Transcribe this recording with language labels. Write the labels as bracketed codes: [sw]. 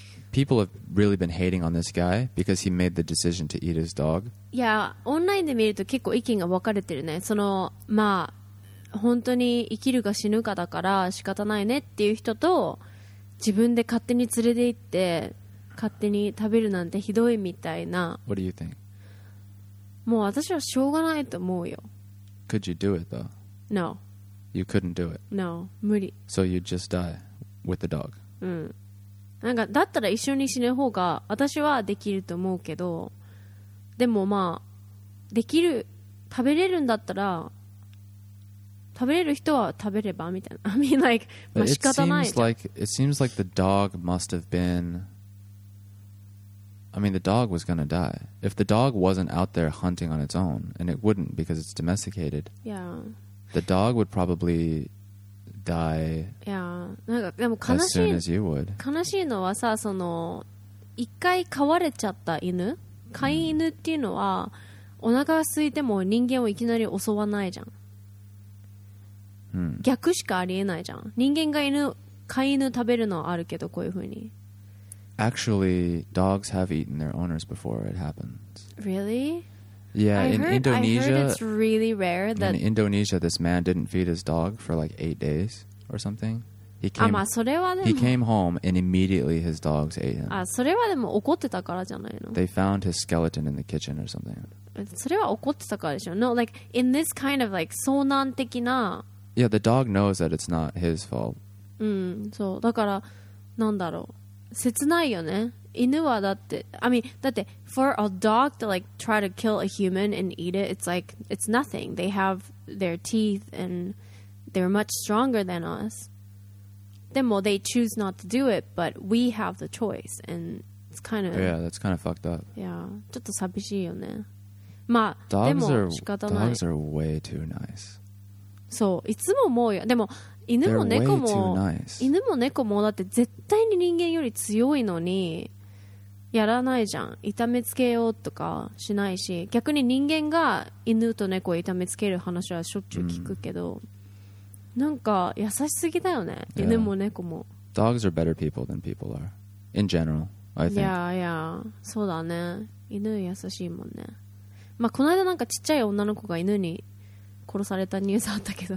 [en] People have really been hating on this guy because he made the decision to eat his dog. [ja] いや、オンラインで見ると結構意見が分かれてるね。そのまあ本当に生きるか死ぬかだから仕方ないねっていう人と、自分で勝手に連れて行って勝手に食べるなんてひどいみたいな。 [en] What do you think? [ja] もう私はしょうがないと思うよ。 [en] Could you do it though? No. You couldn't do it. [ja] No, 無理。 [en] So you'd just die with the dog. [ja] うん。なんかだったら一緒に死ぬ方が私はできると思うけど。でもまあできる、食べれるんだったら食べれる人は食べればみたいな。 [en] I mean like、 [ja] まあ、仕方ないじゃん。 [en] It seems like the dog must have been I mean the dog was gonna die. If the dog wasn't out there hunting on its own, and it wouldn't because it's domesticated. Yeah. The dog would probably die. [ja] Yeah. なんかでも悲しい、 [en] as soon as you would. [ja] 悲しいのはさ、その一回飼われちゃった犬、飼い犬っていうのはお腹が空いても人間をいきなり襲わないじゃん、うん、逆しかありえないじゃん。人間が飼い犬食べるのはあるけど、こういう風に [en] Actually, dogs have eaten their owners before it happens. Really? Yeah, I in heard, Indonesia I heard it's really rare that In Indonesia, this man didn't feed his dog for like 8 days or something. He came, [ja] あ、まあそれはでも [en] He came home and immediately his dogs ate him. [ja] あ、それはでも怒ってたからじゃないの。 [en] They found his skeleton in the kitchen or something. [ja] それは怒ってたからでしょ。 [en] No, like in this kind of like [ja] 遭難的な [en] Yeah, the dog knows that it's not his fault. [ja] うん、そう。だからなんだろう、切ないよね。犬はだって [en] I mean, だって for a dog to like try to kill a human and eat it, it's like it's nothing. They have their teeth and they're much stronger than us. [ja] でも [en] they choose not to do it, but we have the choice, and it's kind of yeah, that's kind of fucked up. Yeah, [ja] ちょっと寂しいよね。まあ、 [en] dogs [ja] でも仕方ない。 [en] Dogs are way too nice. [ja] そう、いつも思うよ。でも犬も猫も、 [en] nice. [ja] 犬も猫もだって絶対に人間より強いのに、やらないじゃん。痛めつけようとかしないし、逆に人間が犬と猫を痛めつける話はしょっちゅう聞くけど、うん、なんか優しすぎだよね、 [en] yeah. [ja] 犬も猫も。 [en] Dogs are better people than people are in general, I think. Yeah, yeah. [ja] そうだね、犬優しいもんね。まあこの間なんかちっちゃい女の子が犬に殺されたニュースあったけど、